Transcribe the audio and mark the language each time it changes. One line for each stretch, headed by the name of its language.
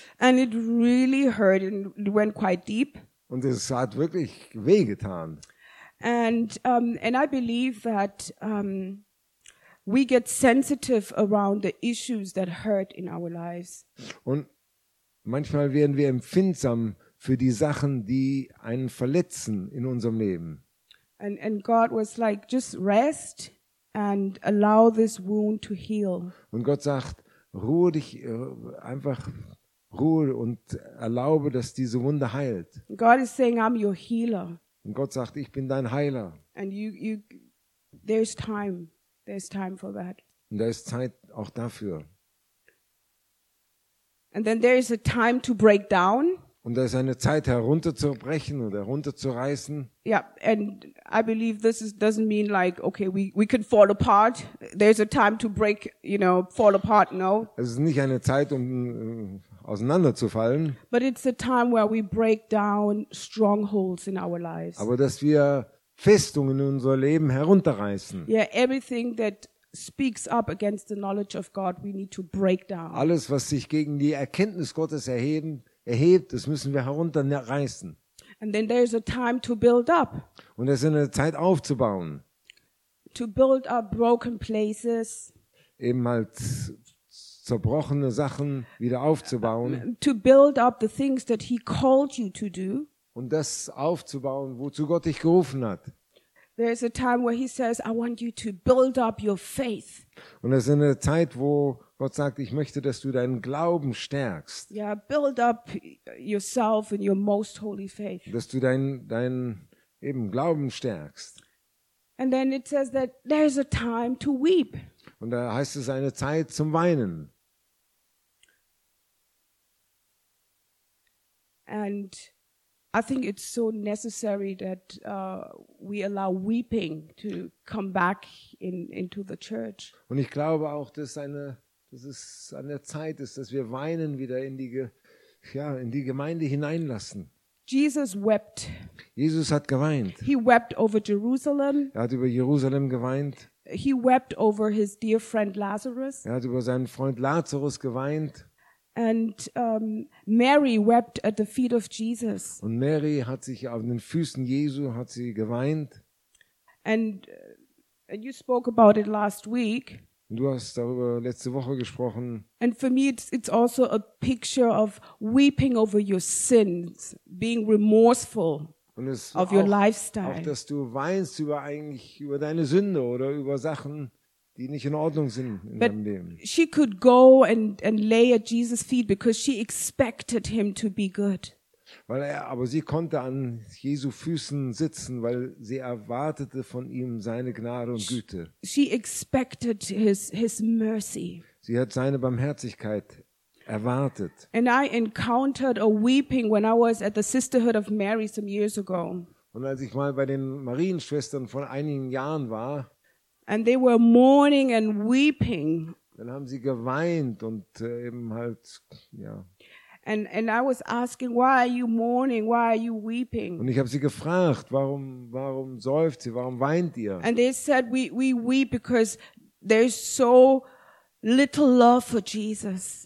English: And it really hurt and it went quite deep.
German: Und es hat wirklich weh getan.
English: And I believe that we get sensitive around the issues that hurt in our lives.
German: Und manchmal werden wir empfindsam für die Sachen, die einen verletzen in unserem Leben.
English: And God was like, just rest and allow this wound to heal.
German: Und Gott sagt, ruhe dich einfach. Ruhe und erlaube, dass diese Wunde heilt.
English: God is saying, I'm your healer.
German: Und Gott sagt, ich bin dein Heiler.
English: And you, there's time. There's time for that.
German: Und da ist Zeit auch dafür.
English: And then there is a time to break down.
German: Und da ist eine Zeit herunterzubrechen oder herunterzureißen.
English: Yeah, and I believe this doesn't mean like, okay, we can fall apart. There's a time to break, you know, fall apart. No.
German: Es ist nicht eine Zeit, um auseinanderzufallen.
English: But it's a time where we break down strongholds in our lives.
German: Aber dass wir Festungen in unser Leben herunterreißen.
English: Yeah, everything that speaks up against the knowledge of God, we need to break down.
German: Alles, was sich gegen die Erkenntnis Gottes erhebt, das müssen wir herunterreißen.
English: And then there is a time to build up.
German: Und es ist eine Zeit aufzubauen.
English: To build up broken places.
German: Eben halt zerbrochene Sachen wieder aufzubauen.
English: To build up the things that he called you to do.
German: Und das aufzubauen, wozu Gott dich gerufen hat.
English: There is a time where he says, I want you to build up your faith.
German: Und es ist eine Zeit, wo Gott sagt, ich möchte, dass du deinen Glauben stärkst.
English: Yeah, build up yourself in your most holy faith.
German: Dass du dein eben Glauben stärkst.
English: And then it says that there is a time to weep.
German: Und da heißt es eine Zeit zum Weinen.
English: And I think it's so necessary that we allow weeping to come back into the church.
German: Und ich glaube auch, dass es an der Zeit ist, dass wir weinen wieder in die Gemeinde hineinlassen.
English: Jesus wept.
German: Jesus hat geweint.
English: He wept over Jerusalem.
German: Er hat über Jerusalem geweint.
English: He wept over his dear friend Lazarus.
German: Er hat über seinen Freund Lazarus geweint.
English: And Mary wept at the feet of Jesus.
German: Und Mary hat sich an den Füßen Jesu hat sie geweint.
English: And you spoke about it last week.
German: Und du hast darüber letzte Woche gesprochen.
English: And for me it's also a picture of weeping over your sins, being remorseful of your lifestyle.
German: Auch dass du weinst über deine Sünde oder über Sachen, die nicht in Ordnung sind in
English: But
German: deinem Leben.
English: She could go and lay at Jesus' feet because she expected him to be good.
German: Aber sie konnte an Jesu Füßen sitzen, weil sie erwartete von ihm seine Gnade und Güte.
English: She expected his mercy.
German: Sie hat seine Barmherzigkeit erwartet.
English: And I encountered a weeping when I was at the Sisterhood of Mary some years ago.
German: Und als ich mal bei den Marienschwestern vor einigen Jahren war.
English: And they were mourning and weeping.
German: Dann haben sie geweint und eben halt, ja.
English: And I was asking, why are you mourning? Why are you weeping?
German: Und ich habe sie gefragt, warum seufzt ihr? Warum weint ihr?
English: And they said, we weep because there is so little love for Jesus.